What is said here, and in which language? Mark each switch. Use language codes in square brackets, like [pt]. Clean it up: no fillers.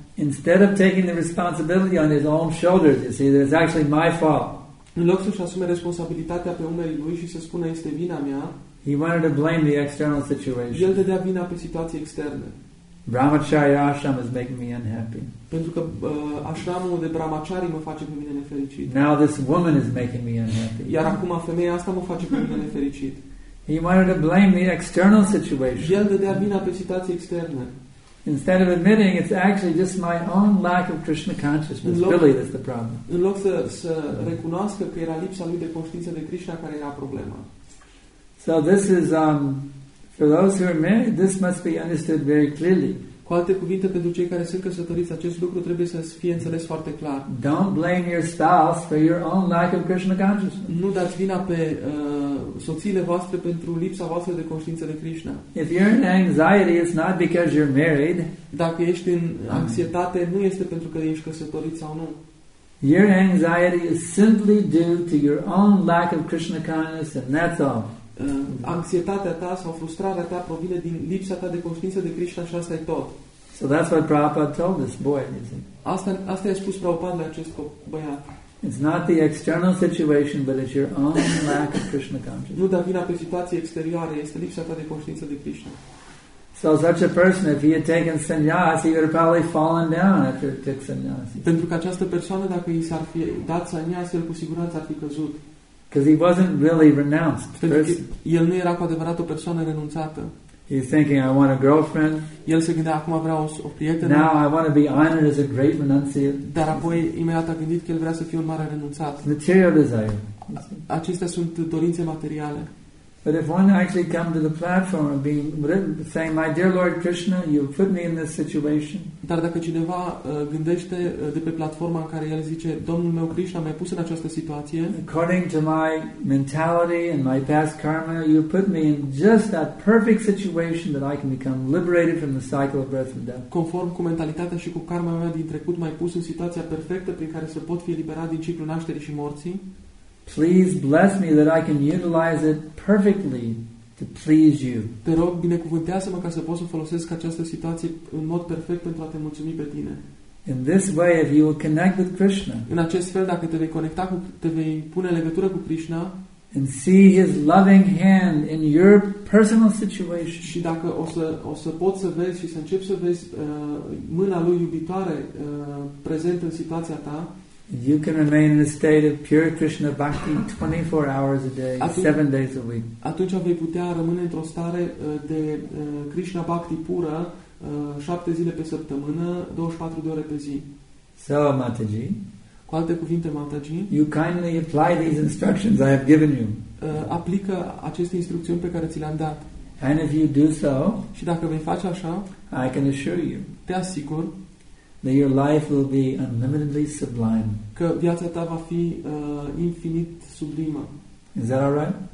[en] Instead of taking the responsibility on his own shoulders, you see, that it's actually my fault. [ro] În loc să-și asume responsabilitatea pe umerii lui și să spună este vina mea, [en] he wanted to blame the external situation. [ro] El dădea vina pe situații externe. [en] Brahmacharya ashram is making me unhappy. [ro] Pentru că ashramul de brahmachari mă face pe mine nefericit. [en] Now this woman is making me unhappy. [ro] Iar acum femeia asta mă face pe mine nefericit. [en] He wanted to blame the external situation. [ro] El dădea vina pe situația externă. [en] Instead of admitting it's actually just my own lack of Krishna consciousness, really that's the problem. [ro] În loc să recunoască că era lipsa lui de conștiință de Krishna care era problema. [en] So this is for those who are married, this must be understood very clearly. [ro] Cu alte cuvinte, pentru cei care sunt căsătoriți, acest lucru trebuie să fie înțeles foarte clar. [en] Don't blame your spouse for your own lack of Krishna consciousness. [ro] Nu dați vina pe soțiile voastre pentru lipsa voastră de conștiință de Krishna. [en] If you're in anxiety, it's not because you're married. [ro] Dacă ești în anxietate, nu este pentru că ești căsătorit sau nu. [en] Your anxiety is simply due to your own lack of Krishna consciousness, and that's all. [ro] Anxietatea ta sau frustrarea ta provine din lipsa ta de conștiință de Krishna și asta e tot. [en] So that's what Prabhupada told this boy, you see. [ro] Asta i-a spus Prabhupada la acest băiat. [en] It's not the external situation, but it's your own lack of Krishna consciousness. [ro] Nu da vina pe situația exterioară, este lipsa ta de conștiință de Krishna. [en] So such a person, if he had taken sannyas, he would have probably fallen down after he took sannyas. [ro] Pentru că această persoană, dacă i s-ar fi dat sannyas, el cu siguranță ar fi căzut. [en] Because he wasn't really renounced. [ro] El nu era cu adevărat o persoană renunțată. [en] He's thinking, I want a girlfriend. [ro] El se gândea, acum vreau o prietenă. [en] Now I want to be honored as a great renunciate. [ro] Dar apoi imediat a gândit că el vrea să fie un mare renunțat. [en] Material desire. [ro] Acestea sunt dorințe materiale. [en] But if one actually come to the platform of being saying, my dear Lord Krishna, you put me in this situation. [ro] Dar dacă cineva gândește de pe platforma în care el zice, Domnul meu Krishna m-a pus în această situație. [en] According to my mentality and my past karma, you put me in just that perfect situation that I can become liberated from the cycle of birth and death. [ro] Conform cu mentalitatea și cu karma mea din trecut, m-ai pus în situația perfectă prin care să pot fi eliberat din ciclul nașterii și morții. [en] Please bless me that I can utilize it perfectly to please you. [ro] Te rog, binecuvântează-mă ca să pot să folosesc această situație în mod perfect pentru a te mulțumi pe tine. [en] In this way, if you will connect with Krishna. [ro] În acest fel, dacă te vei conecta cu, te vei pune legătură cu Krishna. [en] And see His loving hand in your personal situation. [ro] Și dacă o să poți să vezi și să începi să vezi mâna Lui iubitoare prezentă în situația ta. [en] You can remain in a state of pure Krishna bhakti 24 hours a day, 7 days a week. [ro] Atunci vei putea rămâne într-o stare de Krishna bhakti pură 7 zile pe săptămână, 24 de ore pe zi. [en] So, Mataji. [ro] Cu alte cuvinte, Mataji. [en] You kindly apply these instructions I have given you. [ro] Aplică aceste instrucțiuni pe care ți le-am dat. [en] And if you do so, [ro] și dacă vei face așa, [en] I can assure you. [ro] Te asigur. [en] That your life will be unlimitedly sublime. [ro] Că viața ta va fi infinit sublimă. [en] Is that all right?